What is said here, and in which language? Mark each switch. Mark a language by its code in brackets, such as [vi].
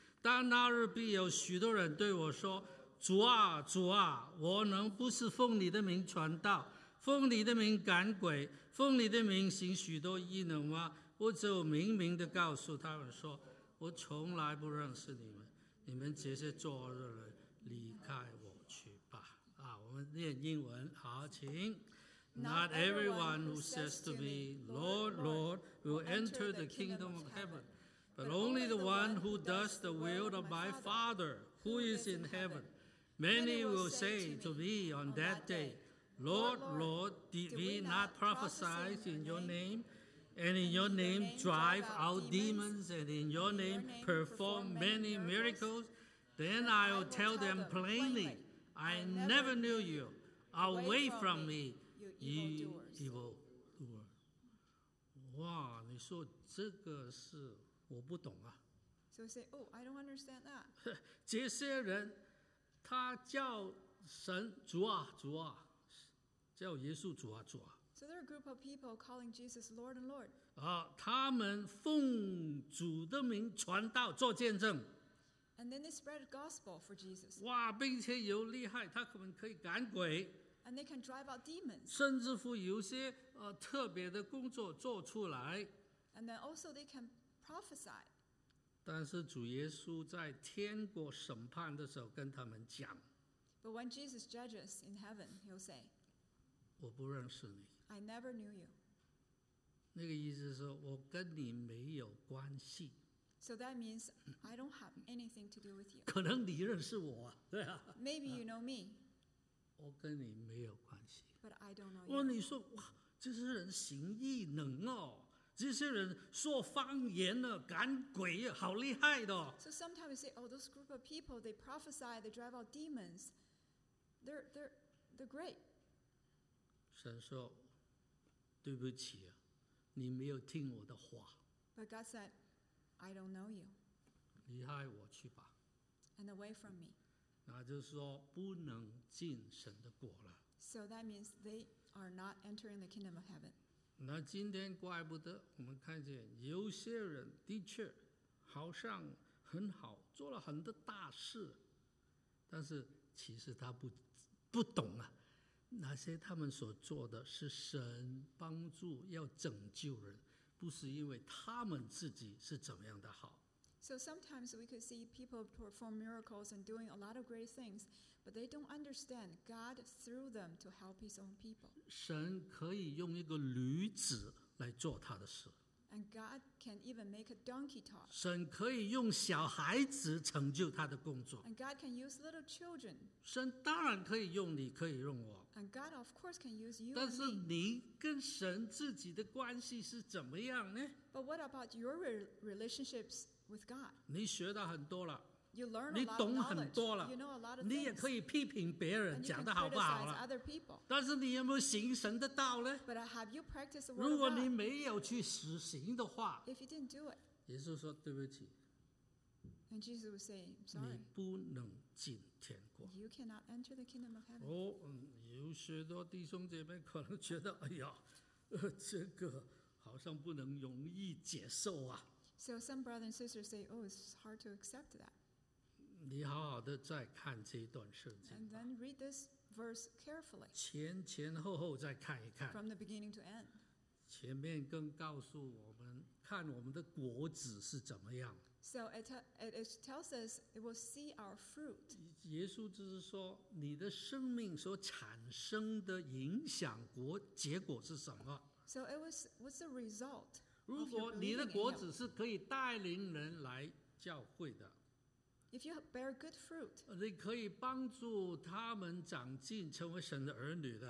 [zh] 但那日必有许多人对我说，主啊主啊，我能不是奉你的名传道，奉你的名赶鬼，奉你的名行许多异能吗？我只有明明地告诉他们说，我从来不认识你们，你们这些作恶的人离开我去吧。我们念英文，好，请。 [en] Not everyone who says to me, Lord, Lord, will enter the kingdom of heaven, but only the one who does the will of my Father who is in heaven. Many will say to me on that day, Lord, Lord, did we not prophesy in your name, and in your name drive out demons, and in your name perform many miracles? Then I will tell them plainly. I never knew you. Away from me, you evil doer. [zh] 哇，你说这个是我不懂啊。 [en] So say, oh, I don't understand that. [zh] 这些人，他叫神主啊主啊，叫耶稣主啊主啊。 [en] So there are a group of people calling Jesus Lord and Lord. [zh] 他们奉主的名传道做见证。 [en] And then they spread the gospel for Jesus. [zh] 哇，并且有厉害，他可能可以赶鬼。 [en] And they can drive out demons. [zh] 甚至乎有些特别的工作做出来。 [en] And then also they can prophesy. [zh] 但是主耶稣在天国审判的时候跟他们讲。 [en] But when Jesus judges in heaven, he'll say, [zh] 我不认识你。 [en] I never knew you. [zh] 那个意思是我跟你没有关系。 [en] So that means I don't have anything to do with you. [zh] 可能你认识我啊，对啊。 [en] Maybe you know me. [zh] 我跟你没有关系。 [en] But I don't know you. [zh] 哇，你说哇，这些人行异能哦，这些人说方言呢，赶鬼啊，好厉害的。 [en] So sometimes we say, oh, those group of people, they prophesy, they drive out demons. They're great. [zh] 神说，对不起啊，你没有听我的话。 [en] But God said. I don't know you. [zh] 离开我去吧。 [en] And away from me. [zh] 那就是说不能进神的国了。 [en] So that means they are not entering the kingdom of heaven. [zh] 那今天怪不得我们看见有些人的确好像很好，做了很多大事，但是其实他不懂啊，那些他们所做的是神帮助要拯救人。不是因为他们自己是怎么样的好。 [en] So sometimes we could see people perform miracles and doing a lot of great things, but they don't understand God through them to help His own people. [zh] 神可以用一个驴子来做他的事。 [en] And God can even make a donkey talk. [zh] 神可以用小孩子成就他的工作。 [en] And God can use little children. [zh] 神当然可以用你，可以用我。 [en] And God of course can use you. [zh] 但是你跟神自己的关系是怎么样呢？ [en] But what about your relationships with God? [zh] 你学到很多了。 [en] You learn a lot of knowledge. [zh] 你懂很多了。 [en] You know a lot of things. [zh] 你也可以批评别人讲得好不好了。 [en] Other people. [zh] 但是你有没有行神的道呢？ [en] But have you practiced the word of God? [zh] 如果你没有去实行的话， [en] If you didn't do it. [zh] 耶稣说对不起。 [en] And Jesus would say, sorry. [zh] 你不能进天国。 [en] You cannot enter the kingdom of heaven. [zh] 有许多弟兄姐妹可能觉得，哎呀，这个好像不能容易接受啊。 [en] So some brothers and sisters say, oh, it's hard to accept that. [zh] 你好好的再看这一段圣经吧。 [en] And then read this verse carefully. [zh] 前前后后再看一看。 [en] From the beginning to end. [zh] 前面更告诉我们，看我们的果子是怎么样。 [en] So it tells us it will see our fruit. [zh] 耶稣就是说，你的生命所产生的影响果结果是什么？ [en] So it was what's the result? [zh] 如果你的果子是可以带领人来教会的。 [en] If you bear good fruit, [zh] 你可以帮助他们长进，成为神的儿女的。